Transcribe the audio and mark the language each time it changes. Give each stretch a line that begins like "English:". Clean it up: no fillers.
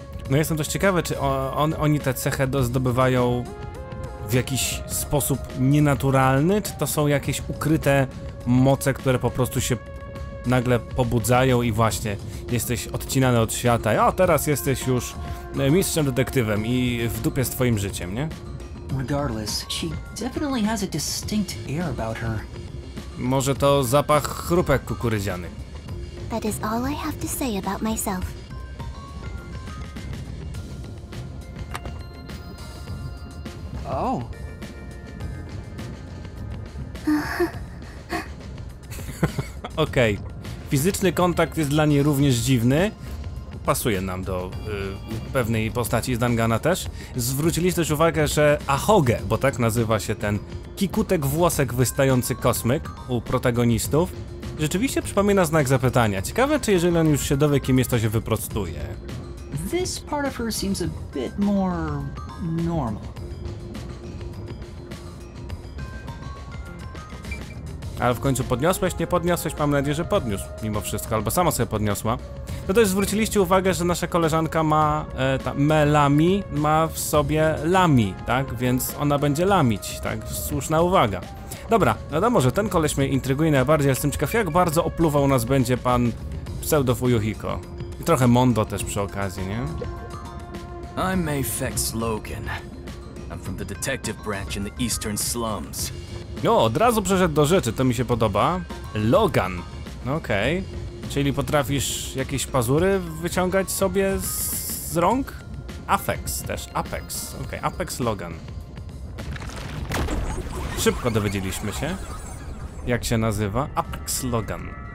Polish: No jestem dość ciekawy, czy oni tę cechę zdobywają w jakiś sposób nienaturalny, czy to są jakieś ukryte moce, które po prostu się nagle pobudzają i właśnie jesteś odcinany od świata. O, teraz jesteś już mistrzem detektywem i w dupie z twoim życiem, nie?
English: Regardless, she definitely has a distinct air about her.
Polish: Może to zapach chrupek kukurydziany.
English: That is all I have to say about myself. Oh. Okej. Okay.
Polish: Fizyczny kontakt jest dla niej również dziwny. Pasuje nam do pewnej postaci z Dangana też. Zwróciliście też uwagę, że Ahoge, bo tak nazywa się ten kikutek włosek wystający kosmyk u protagonistów, rzeczywiście przypomina znak zapytania. Ciekawe, czy jeżeli on już się dowie, kim jest, to się wyprostuje.
English: This part of her seems a bit more normal.
Polish: Ale w końcu podniosłeś, nie podniosłeś, mam nadzieję, że podniósł mimo wszystko, albo sama sobie podniosła. No też zwróciliście uwagę, że nasza koleżanka ma, melami, ma w sobie lami, tak? Więc ona będzie lamić, tak? Słuszna uwaga. Dobra, wiadomo, że ten koleś mnie intryguje najbardziej, jestem ciekaw, jak bardzo opluwał nas będzie pan pseudo Fuyuhiko. I trochę Mondo też przy okazji, nie?
English: I'm Mayfex Logan. I'm from the detective branch in the eastern slums.
Polish: O, od razu przeszedł do rzeczy, to mi się podoba. Logan. Okej. Okay. Czyli potrafisz jakieś pazury wyciągać sobie z rąk? Apex też, Apex. Okej, okay. Apex Logan. Szybko dowiedzieliśmy się, jak się nazywa. Apex Logan.